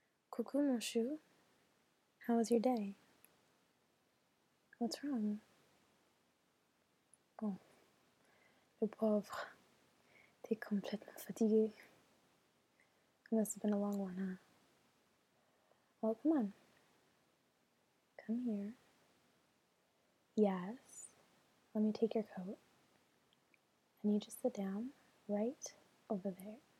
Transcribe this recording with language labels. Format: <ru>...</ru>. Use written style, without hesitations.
<fr>Coucou mon chou,</fr> <en>how was your day? What's wrong?</en> <fr>Bon, le pauvre, t'es complètement fatigué.</fr> <en>Must have been a long one, huh? Well, come on. Come here. Yes, let me take your coat. And you just sit down right over there.</en>